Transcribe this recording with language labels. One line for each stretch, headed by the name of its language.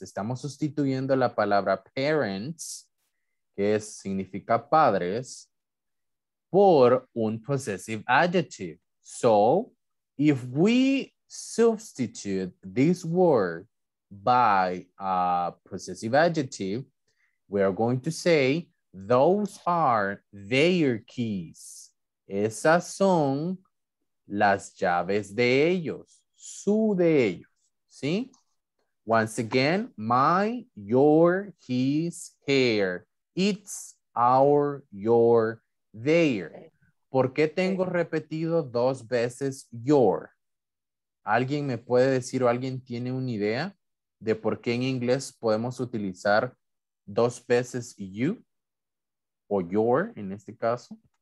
Spanish: Estamos sustituyendo la palabra parents, que significa padres, por un possessive adjective.
English: So if we substitute this word by a possessive adjective, we are going to say, those are their keys.
Spanish: Esas son las llaves de ellos, su de ellos, ¿sí?
English: Once again, my, your, his, her, it's, our, your, their.
Spanish: ¿Por qué tengo repetido dos veces your? ¿Alguien me puede decir o alguien tiene una idea de por qué en inglés podemos utilizar dos veces you o your en este caso?